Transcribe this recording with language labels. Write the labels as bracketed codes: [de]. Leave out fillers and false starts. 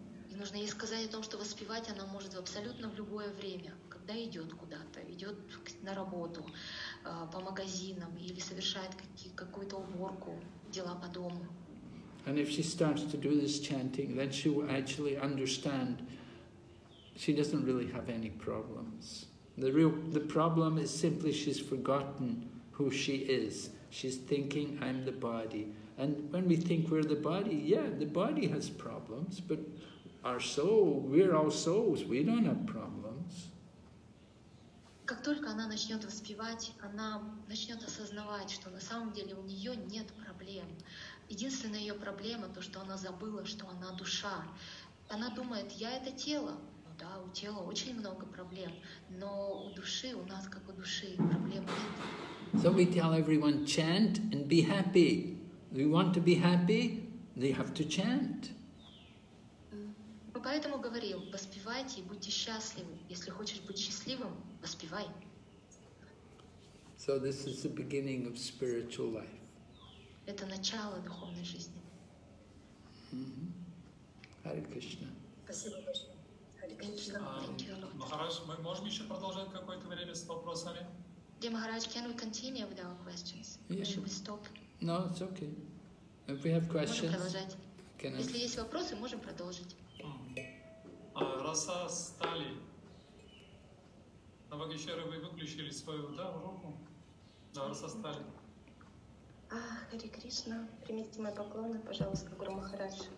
[ru] И нужно ей сказать о том, что воспевать она может абсолютно в любое время, когда идет куда-то, идет на работу, по магазинам или совершает какую-то уборку, дела по дому. [en] And if she starts to do this chanting, then she will actually understand she doesn't really have any problems. The problem is simply she's forgotten who she is. She's thinking, "I'm the body." And when we think we're the body, yeah, the body has problems, but our soul, we're all souls, we don't have problems. [ru] Как только она начнет воспевать, она начнет осознавать, что на самом деле у нее нет проблем. Единственная ее проблема — то, что она забыла, что она душа. Она думает: "Я это тело." Ну да, у тела очень много проблем, но у души, у нас как у души, проблем нет. [en] So we tell everyone, chant and be happy. If you want to be happy, they have to chant. [ru] Поэтому говорил: воспевайте и будьте счастливы. Если хочешь быть счастливым, воспевай. [en] So this is the beginning of spiritual life. [ru] Это начало духовной жизни. [en] Hare Krishna. [ru] Спасибо большое. Махарадж, мы можем еще продолжать какое-то время с вопросами? [en] Dear Maharaj, can we continue with our questions? Yeah. Or should we stop? No, it's okay. If we have questions, can I? [ru] Если есть вопросы, можем продолжить. Раса стали. На Багишера вы выключили свою, да, руку? Да, раса стали. Хари Кришна, примите мои поклоны, пожалуйста, Гуру Махарадж.